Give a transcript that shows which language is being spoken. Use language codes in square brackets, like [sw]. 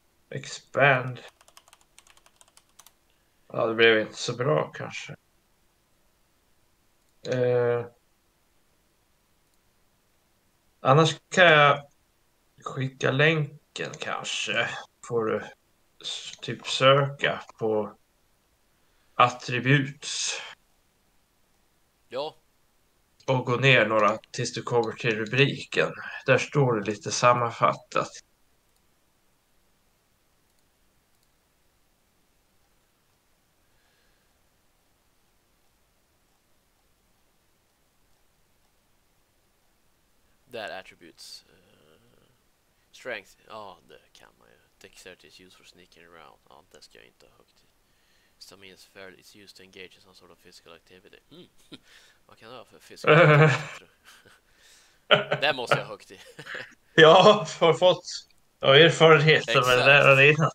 [en] Expand. [sv] Ja, det blev inte så bra kanske. Annars kan jag skicka länken kanske. Får du typ söka på attributs. Ja. Och gå ner några tills du kommer till rubriken. Där står det lite sammanfattat. Där attributes. Strength. Ja, oh, det kan man ju. [en] Dexterity is used for sneaking around. [sv] Ja, oh, det ska jag inte ha högt. [en] Stamina is fairly is used to engage in some sort of physical activity. [sv] Vad kan det vara för physical activity, tror jag? Det måste jag ha högt i. Ja, har fått av erfarenheten med det där och det innan.